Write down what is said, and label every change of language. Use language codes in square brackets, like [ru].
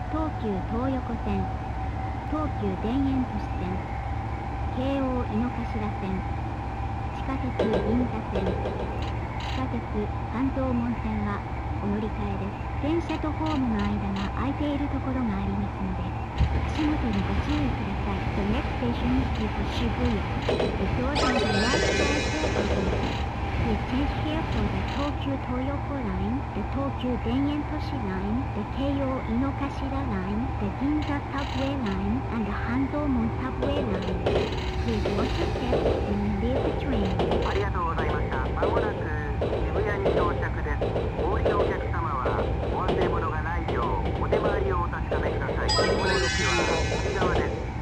[ja] 東急東横線、東急田園都市線、京王井の頭線、地下鉄銀座線、地下鉄関東門線はお乗り換えです。電車とホームの間が空いているところがありますので、足元にご注意ください。 [en] The next station is for 渋谷。 The door on the right side is open. Please change here for the 東急東横 line, the 東急田園都市 line, the 京王井の頭 line, the 銀座 subway line, and the 半蔵門 subway line. Please watch your step and leave the train. [ja] ありがとうございました。まもなく渋谷に到着です。お降りのお客様は、お忘れ物がないよう、お出回りをお確かめください。お出口は、右側です。